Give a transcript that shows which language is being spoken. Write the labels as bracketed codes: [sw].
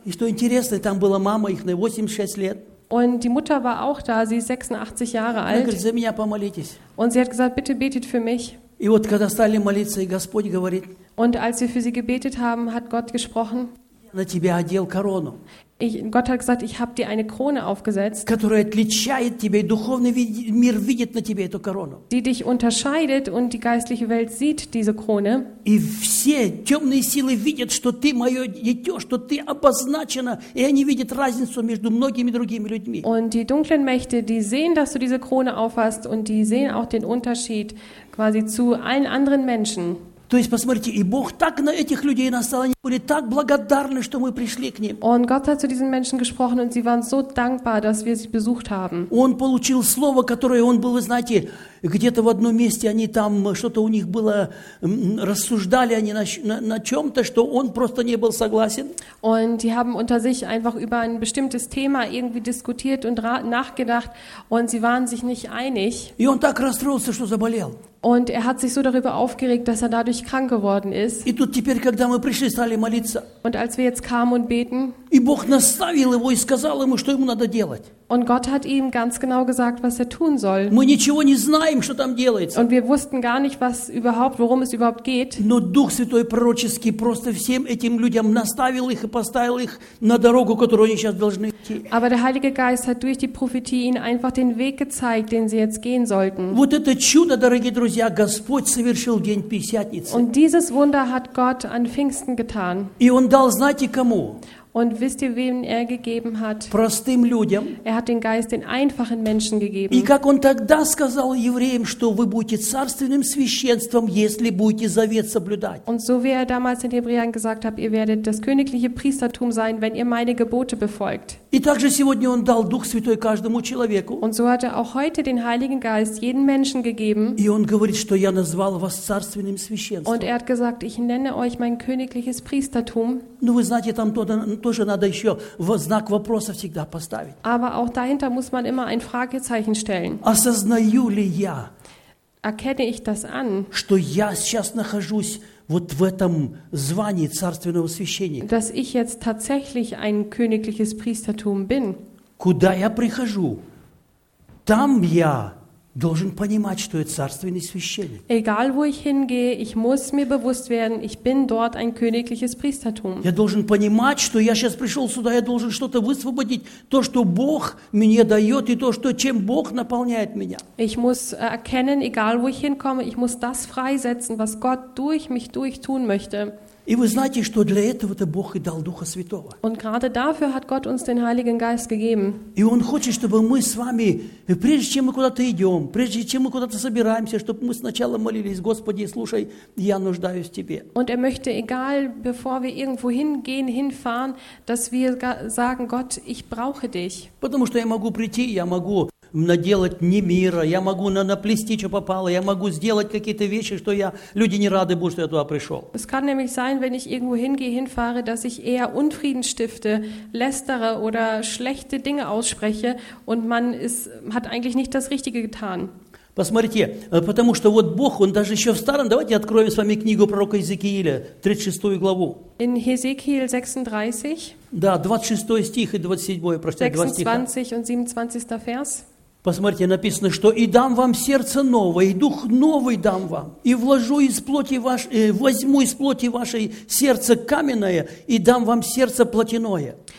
[ru] И что интересно, там была мама их на 86 лет. [de] Und die Mutter war auch da, sie ist 86 Jahre alt. [ru] Она говорит, за меня помолитесь. [de] Und sie hat gesagt, bitte betet für mich. [ru] И вот когда стали молиться, и Господь говорит, [de] und als wir für sie gebetet haben, hat Gott gesprochen. [ru] На тебя одел корону. [de] Gott hat gesagt, ich habe dir eine Krone aufgesetzt. [ru] Которая отличает тебя, и духовный мир видит на тебе эту корону. [de] Die dich unterscheidet und die geistliche Welt sieht diese Krone. [ru] И все темные силы видят, что ты мое дитё, что ты обозначена, и они видят разницу между многими другими людьми. [de] Und die dunklen Mächte, die sehen, dass du diese Krone aufhast und die sehen auch den Unterschied quasi zu allen anderen Menschen. [ru] То есть, посмотрите, и Бог так на этих людей настал, они были так благодарны, что мы пришли к ним. [de] Und Gott hat zu diesen Menschen gesprochen und sie waren so dankbar, dass wir sie besucht haben. [ru] Он получил слово, которое он был, вы знаете, где-то в одном месте они там, что-то у них было, рассуждали они на чем-то, что он просто не был согласен. [de] Und die haben unter sich einfach über ein bestimmtes Thema irgendwie diskutiert und nachgedacht und sie waren sich nicht einig. [ru] И он так расстроился, что заболел. [de] Und er hat sich so darüber aufgeregt, dass er dadurch krank geworden ist. [ru] И тут теперь, когда мы пришли, стали молиться. [de] Und als wir jetzt kamen und beten. [ru] И Бог наставил его и сказал ему, что ему надо делать. [de] Und Gott hat ihm ganz genau gesagt, was er tun soll. [ru] Мы ничего не знаем, что там делается. [de] Und wir wussten gar nicht, was überhaupt, worum es überhaupt geht. [ru] Но Дух Святой пророчески просто всем этим людям наставил их и поставил их на дорогу, которую они сейчас должны идти. [de] Aber der Heilige Geist hat durch die Prophetie ihnen einfach den Weg gezeigt, den sie jetzt gehen sollten. [ru] Вот это чудо, дорогие друзья, Господь совершил в день Пятницы. [de] Und dieses Wunder hat Gott an Pfingsten getan. [ru] И он дал, знаете, кому? [de] Und wisst ihr, wem er gegeben hat? [ru] Простым людям. [de] Er hat den Geist den einfachen Menschen gegeben. [ru] И как он тогда сказал евреям, что вы будете царственным священством, если будете завет соблюдать. [de] Und so wie er damals den Hebräern gesagt hat, ihr werdet das königliche Priestertum sein, wenn ihr meine Gebote befolgt. [ru] И также сегодня он дал Дух Святой каждому человеку. [de] Und so hat er auch heute den Heiligen Geist jedem Menschen gegeben. [ru] И он говорит, что я назвал вас царственным священством. [de] Und er hat gesagt, ich nenne euch mein königliches Priestertum. [ru] Ну вы знаете, там тоже надо еще знак вопроса всегда поставить. [de] Aber auch dahinter muss man immer ein Fragezeichen stellen. [ru] Осознаю ли я? [de] Erkenne ich das an? [ru] Что я сейчас нахожусь вот в этом звании царственного священника? [de] Dass ich jetzt tatsächlich ein königliches Priestertum bin. [ru] Куда я прихожу? Там я должен понимать, что я царственный священник. [de] Egal wo ich hingehe, ich muss mir bewusst werden, ich bin dort ein königliches Priestertum. [ru] Я должен понимать, что я сейчас пришел сюда, я должен что-то высвободить, то, что Бог мне дает и то, что чем Бог наполняет меня. [de] Ich muss erkennen, egal wo ich hinkomme, ich muss das freisetzen, was Gott durch mich durchtun möchte. [ru] И вы знаете, что для этого-то Бог и дал Духа Святого. [de] Und gerade dafür hat Gott uns den Heiligen Geist gegeben. [ru] И Он хочет, чтобы мы с вами, прежде чем мы куда-то идем, прежде чем мы куда-то собираемся, чтобы мы сначала молились: Господи, слушай, я нуждаюсь в Тебе. [de] Und möchte, egal, bevor wir irgendwo hingehen, hinfahren, dass wir sagen: Gott, ich brauche dich. [ru] Потому что я могу прийти, я могу наделать не мира, я могу наплести, что попало, я могу сделать какие-то вещи, что я, люди не рады будут, что я туда пришел. [de] Es kann nämlich sein, wenn ich irgendwo hingehe, hinfahre, dass ich eher Unfrieden stifte, lästere oder schlechte Dinge ausspreche und man ist, hat eigentlich nicht das Richtige getan. [ru] Посмотрите, потому что вот Бог, Он даже еще в старом, давайте откроем с вами книгу пророка Иезекииля, 36 главу. [de] In Hesekiel 36. [ru] Да, 26 стих и 27, простите, [de] 26 und 27 Vers. [ru] Посмотрите, написано, что «И дам вам сердце новое, и дух новый дам вам, и вложу из плоти вашей, возьму из плоти вашей сердце каменное, и дам вам сердце плотяное».